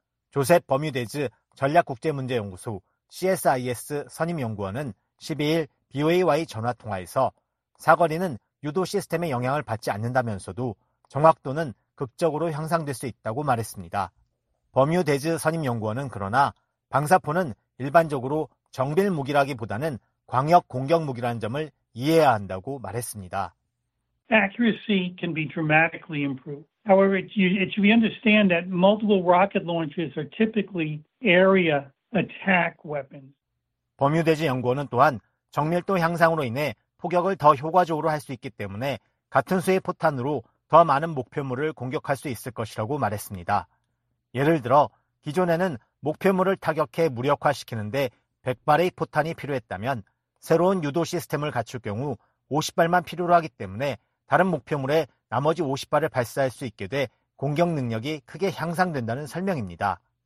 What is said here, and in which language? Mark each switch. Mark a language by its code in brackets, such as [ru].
[ko] 조셉 버뮤데즈 전략국제문제연구소 CSIS 선임연구원은 12일 BOA와의 전화통화에서 사거리는 유도 시스템의 영향을 받지 않는다면서도 정확도는 극적으로 향상될 수 있다고 말했습니다. 버뮤데즈 선임연구원은 그러나 방사포는 일반적으로 정밀 무기라기보다는 광역 공격 무기라는 점을 이해해야 한다고 말했습니다. [en] Accuracy can be dramatically improved. However, it should be understood that multiple rocket launches are typically area attack weapons. [ko] 버뮤데즈 연구원은 또한 정밀도 향상으로 인해 포격을 더 효과적으로 할 수 있기 때문에 같은 수의 포탄으로 더 많은 목표물을 공격할 수 있을 것이라고 말했습니다. 예를 들어 기존에는 목표물을 타격해 무력화시키는데 100발의 포탄이 필요했다면 새로운 유도 시스템을 갖출 경우 50발만 필요로 하기 때문에 다른 목표물에 나머지 50발을 발사할 수 있게 돼 공격 능력이 크게 향상된다는 설명입니다.